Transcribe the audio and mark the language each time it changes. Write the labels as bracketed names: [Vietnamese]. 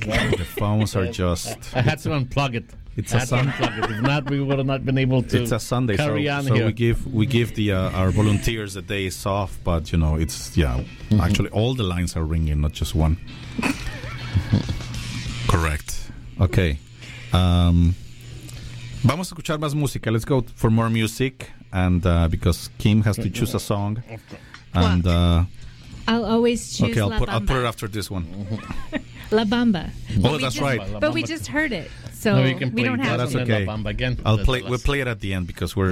[English] The phones are just... I had to unplug it. It's a Sunday. If not, we would have not been able to. It's a Sunday, carry on here. We give the our volunteers the day off, but you know, it's actually all the lines are ringing, not just one. Correct. Okay. [Spanish] Vamos a escuchar más música. [English] Let's go for more music, and because Kim has to choose a song, and I'll always choose. Okay, La Bamba. I'll put it after this one. La Bamba. Oh, that's right. But we just heard it. So no, you can play. We don't have that's okay. La Bamba again. We'll play it at the end because we're